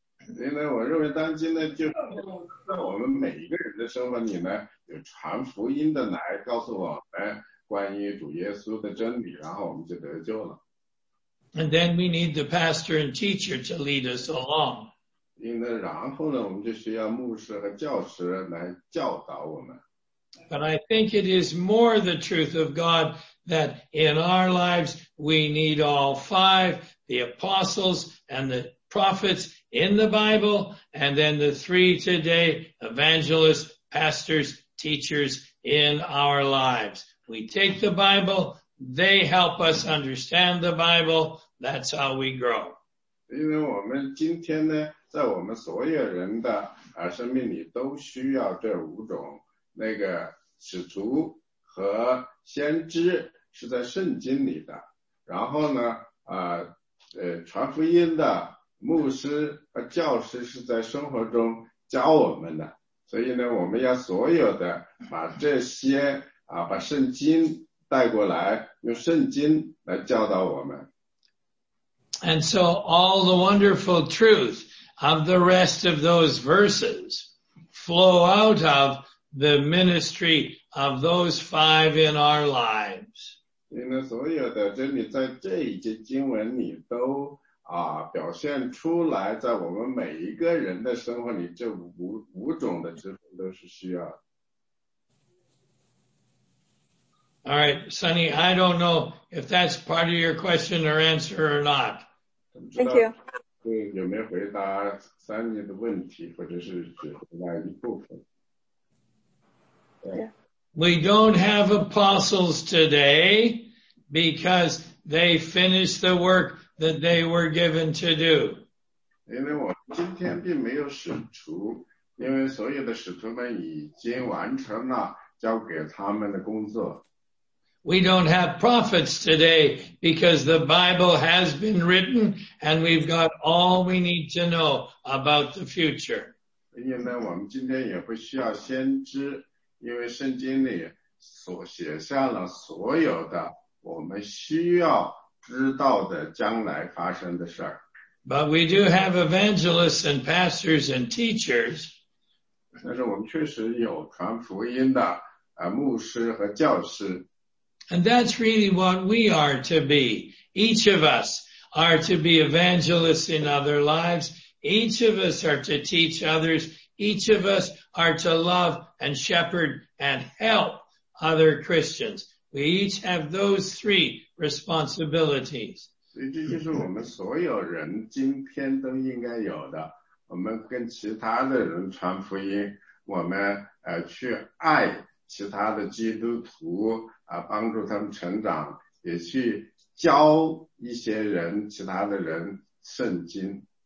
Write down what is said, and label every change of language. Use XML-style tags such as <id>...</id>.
<en>And then we need the pastor and teacher to lead us along.</en> <zh>然后呢，我们就需要牧师和教师来教导我们。</zh> <en>But I think it is more the truth of God that in our lives we need all five, the apostles and the prophets in the Bible, and then the three today, evangelists, pastors, teachers in our lives. We take the Bible, they help us understand the Bible, that's how we grow.</en> <zh>因为我们今天呢，在我们所有人的生命里都需要这五种，那个使徒和先知是在圣经里的，然后呢传福音的牧师和教师是在生活中教我们的，所以呢我们要所有的把这些把圣经带过来，用圣经来教导我们。</zh> <en>And so all the wonderful truth of the rest of those verses flow out of the ministry of those five in our lives.</en> <zh>因为所有的真理在这一节经文里都表现出来，在我们每一个人的生活里，这五种的职分都是需要的。</zh> <en>All right, Sunny, I don't know if that's part of your question or answer or not. Thank you.</en> <zh>有没有回答 Sunny 的问题，或者是只回答一部分？</zh> <en>We don't have apostles today because they finished the work that they were given to do.</en> <zh>因为我今天并没有使徒，因为所有的使徒们已经完成了交给他们的工作。</zh> <en>We don't have prophets today because the Bible has been written and we've got all we need to know about the future.</en> <zh>因为我们今天也不需要先知，因为圣经里所写下了所有的我们需要知道的将来发生的事儿。</zh> <en>But we do have evangelists and pastors and teachers.</en> <zh>但是我们确实有传福音的牧师和教师。</zh> <en>And that's really what we are to be. Each of us are to be evangelists in other lives. Each of us are to teach others. Each of us are to love and shepherd and help other Christians. We each have those three responsibilities.</en> <zh>所以这就是我们所有人今天都应该有的。我们跟其他的人传福音，我们去爱其他的基督徒帮助他们成长，也去教一些人，其他的人圣经。</zh>